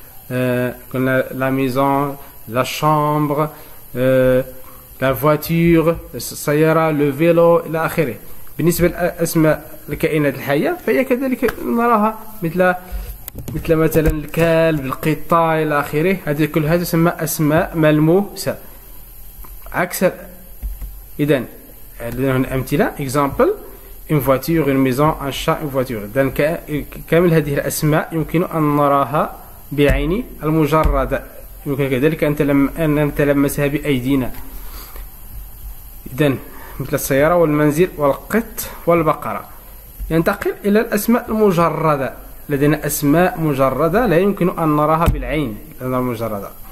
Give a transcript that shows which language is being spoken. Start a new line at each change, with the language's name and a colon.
French: comme la maison, la chambre, la voiture,
Arabic: السيارة,
French: le vélo, l'akhiré.
Arabic: بالنسبة لأسماء الكائنات الحية فهي كذلك نراها مثل مثلا الكلب، القطة، إلى آخره. هذه كلها تسمى أسماء ملموسة. عكس إذن عندنا هنا أمثلة example
French: une voiture, une maison, un chat, une voiture.
Arabic: إذن كامل هذه الأسماء يمكن أن نراها بعيني المجردة، يمكن كذلك أن نتلمسها بأيدينا. إذن مثل السيارة والمنزل والقط والبقرة. ننتقل إلى الأسماء المجردة. لدينا أسماء مجردة لا يمكن أن نراها بالعين، لأنها مجردة.